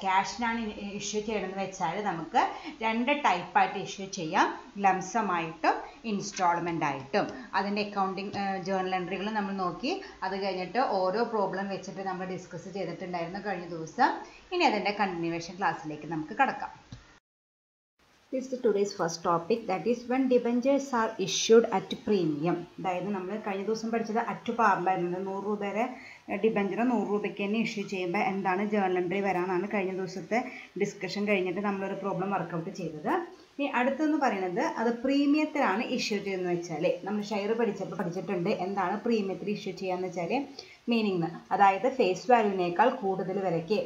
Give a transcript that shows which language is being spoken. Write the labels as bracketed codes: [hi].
[ml] ക്യാഷിനാണ് issue ചെയ്യണമെന്ന് വെച്ചാൽ നമുക്ക് രണ്ട് ടൈപ്പായിട്ട് ഇഷ്യൂ ചെയ്യാം, ലംസമായിട്ടും ഇൻസ്റ്റാൾമെൻ്റ് ആയിട്ടും. അതിൻ്റെ അക്കൗണ്ടിങ് ജേർണൽ എൻട്രികൾ നമ്മൾ നോക്കി. അത് കഴിഞ്ഞിട്ട് ഓരോ പ്രോബ്ലം വെച്ചിട്ട് നമ്മൾ ഡിസ്കസ് ചെയ്തിട്ടുണ്ടായിരുന്നു കഴിഞ്ഞ ദിവസം. ഇനി അതിൻ്റെ കണ്ടിന്യൂവേഷൻ ക്ലാസ്സിലേക്ക് നമുക്ക് കടക്കാം. [en] This is today's first topic, that is when debentures are issued at premium. [ml] അതായത് നമ്മൾ കഴിഞ്ഞ ദിവസം പഠിച്ചത് അറ്റ് പാമ്പായിരുന്നു. 100 രൂപയുടെ ഡിബഞ്ചർ 100 രൂപയ്ക്ക് തന്നെ ഇഷ്യൂ ചെയ്യുമ്പോൾ എന്താണ് ജേർണൽ എൻട്രി വരാനാണ് കഴിഞ്ഞ ദിവസത്തെ ഡിസ്കഷൻ കഴിഞ്ഞിട്ട് നമ്മളൊരു പ്രോബ്ലം വർക്കൗട്ട് ചെയ്തത്. ഇനി അടുത്തെന്ന് പറയുന്നത് അത് പ്രീമിയത്തിലാണ് ഇഷ്യൂ ചെയ്യുന്നത് വെച്ചാൽ, നമ്മൾ ഷെയർ പഠിച്ചപ്പോൾ പഠിച്ചിട്ടുണ്ട് എന്താണ് പ്രീമിയത്തിൽ ഇഷ്യൂ ചെയ്യാന്ന് വെച്ചാൽ മീനിങ്ന്ന്, അതായത് ഫേസ് വാല്യൂവിനേക്കാൾ കൂടുതൽ വിലയ്ക്ക്.